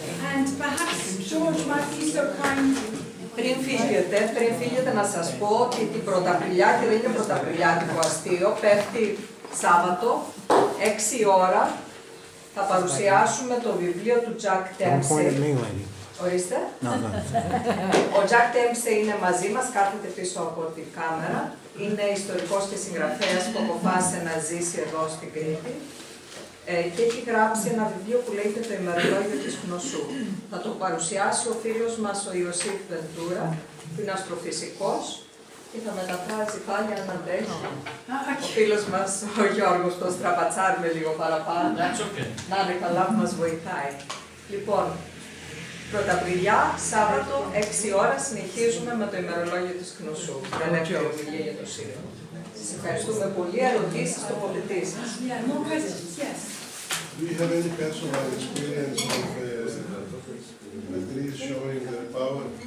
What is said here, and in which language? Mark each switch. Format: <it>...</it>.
<en>And perhaps George might be so kind.</en> <el>Πριν φύγετε να σας πω ότι την πρωταπριλιάτικη, δεν είναι πρωταπριλιάτικο αστείο, πέφτει Σάββατο, 6 ώρα, θα παρουσιάσουμε το βιβλίο του Jack Dempsey. Ορίστε. Ο Jack Dempsey είναι μαζί μας, κάθεται πίσω από την κάμερα. Είναι ιστορικός και συγγραφέας που αποφάσισε να ζήσει εδώ στην Κρήτη. Και έχει γράψει ένα βιβλίο που λέγεται «Το ημερολόγιο της γνωσού». Θα το παρουσιάσει ο φίλος μας ο Ιωσήφ Βεντούρα, που είναι αστροφυσικός, και θα μεταφράζει πάλι αν αντέχει. Ο φίλος μας ο Γιώργος, το στραπατσάρουμε λίγο παραπάνω.</el> <en>That's okay.</en> <el>Να είναι καλά που μας βοηθάει. Λοιπόν, πρωταπριλιά, Σάββατο, 6 ώρα, συνεχίζουμε με το ημερολόγιο της γνωσού. Δεν έχει ομιλία για το σύνολο.</el> <en>Do you have any personal experience of the trees showing their power?</en>